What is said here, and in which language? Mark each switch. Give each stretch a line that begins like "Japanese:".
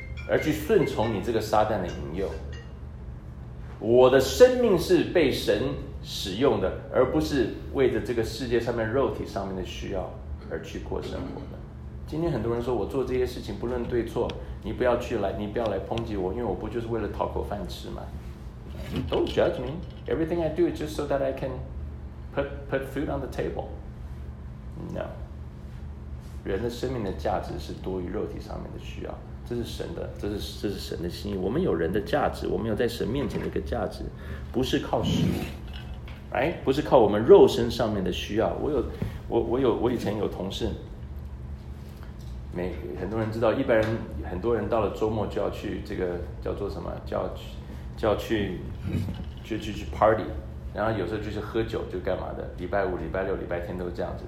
Chinese: 而去顺从你这个撒旦的引诱。我的生命是被神使用的，而不是为着这个世界上面肉体上面的需要而去过生活的。今天很多人说我做这些事情不论对错，你不要去来，你不要来抨击我，因为我不就是为了讨口饭吃吗？
English: Don't judge me. Everything I do is just so that I can put food on the table. No.
Chinese: 人的生命的价值是多于肉体上面的需要，这是神的，这是神的心意。我们有人的价值，我们有在神面前的一个价值，不是靠食物。
English: Right?
Chinese: 不是靠我们肉身上面的需要。我以前有同事，很多人知道，一般人很多人到了周末就要去这个叫做什么，就要去 party， 然后有时候就是喝酒就干嘛的，礼拜五、礼拜六、礼拜天都是这样子。